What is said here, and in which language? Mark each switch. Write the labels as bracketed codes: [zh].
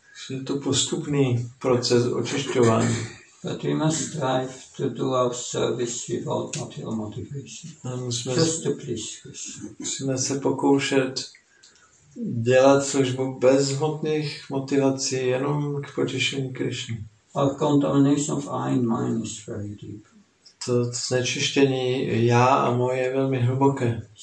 [cs] Je to postupný proces očišťování. [en] But we must strive to do our service without material motivation. Just to please Krishna. [cs] Musíme se pokoušet dělat službu bez hmotných motivací, jenom k potěšení Krishny. [en] Our contamination of I and mine is very deep. [cs] To znečištění já a moje je velmi hluboké.